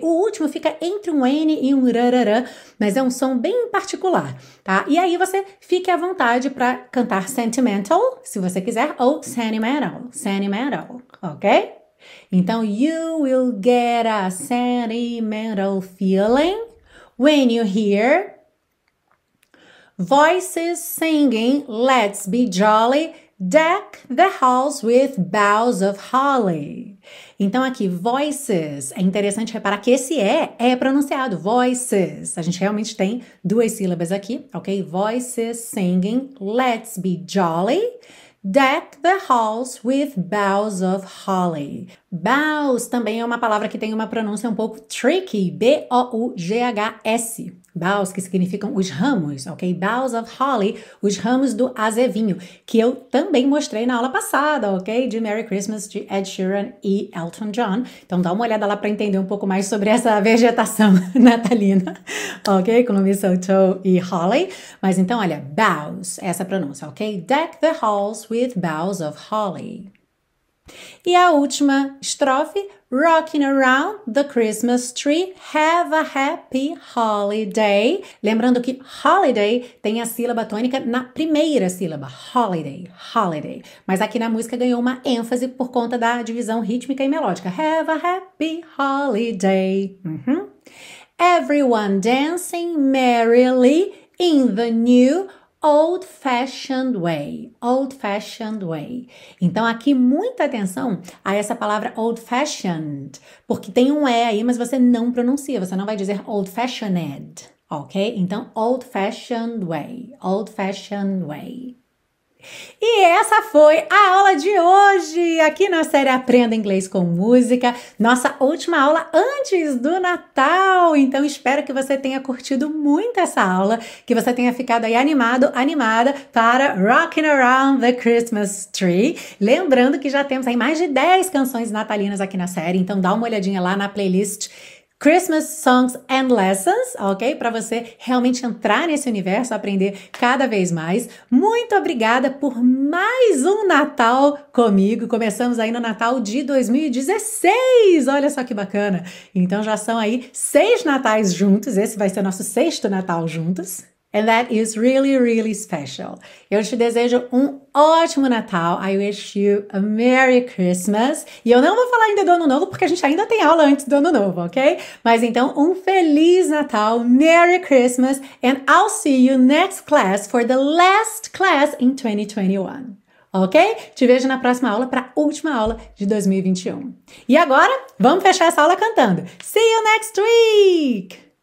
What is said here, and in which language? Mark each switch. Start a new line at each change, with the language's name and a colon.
Portuguese: O último fica entre um N e um rarará, mas é um som bem particular, tá? E aí você fique à vontade para cantar sentimental, se você quiser, ou sentimental, ok?
English: Então, you will get a sentimental feeling when you hear voices singing, let's be jolly, Deck the halls with boughs of holly.
Portuguese: Então aqui, voices. É interessante reparar que esse é pronunciado, voices. A gente realmente tem duas sílabas aqui, ok?
English: Voices singing, let's be jolly. Deck the halls with boughs of holly.
Portuguese: Boughs também é uma palavra que tem uma pronúncia um pouco tricky. B-O-U-G-H-S. Boughs, que significam os ramos, ok?
English: Boughs of holly,
Portuguese: os ramos do azevinho, que eu também mostrei na aula passada, ok? De Merry Christmas, de Ed Sheeran e Elton John. Então dá uma olhada lá para entender um pouco mais sobre essa vegetação natalina, ok? Com mistletoe e holly. Mas então, olha, boughs, essa pronúncia, ok?
English: Deck the halls with boughs of holly.
Portuguese: E a última estrofe,
English: rocking around the Christmas tree, have a happy holiday.
Portuguese: Lembrando que holiday tem a sílaba tônica na primeira sílaba, holiday, holiday. Mas aqui na música ganhou uma ênfase por conta da divisão rítmica e melódica.
English: Have a happy holiday. Uhum. Everyone dancing merrily in the new old-fashioned way, old-fashioned way.
Portuguese: Então, aqui, muita atenção a essa palavra old-fashioned, porque tem um E aí, mas você não pronuncia, você não vai dizer old-fashioned, ok?
English: Então, old-fashioned way, old-fashioned way.
Portuguese: E essa foi a aula de hoje, aqui na série Aprenda Inglês com Música, nossa última aula antes do Natal. Então espero que você tenha curtido muito essa aula, que você tenha ficado aí animado, animada para Rocking Around the Christmas Tree. Lembrando que já temos aí mais de 10 canções natalinas aqui na série, então dá uma olhadinha lá na playlist Christmas Songs and Lessons, ok? Para você realmente entrar nesse universo, aprender cada vez mais. Muito obrigada por mais um Natal comigo. Começamos aí no Natal de 2016. Olha só que bacana. Então já são aí 6 Natais juntos. Esse vai ser nosso 6º Natal juntos.
English: And that is really, really special.
Portuguese: Eu te desejo um ótimo Natal.
English: I wish you a Merry Christmas.
Portuguese: E eu não vou falar ainda do Ano Novo, porque a gente ainda tem aula antes do Ano Novo, ok? Mas então, um Feliz Natal,
English: Merry Christmas, and I'll see you next class for the last class in 2021.
Portuguese: Ok? Te vejo na próxima aula, para a última aula de 2021. E agora, vamos fechar essa aula cantando.
English: See you next week!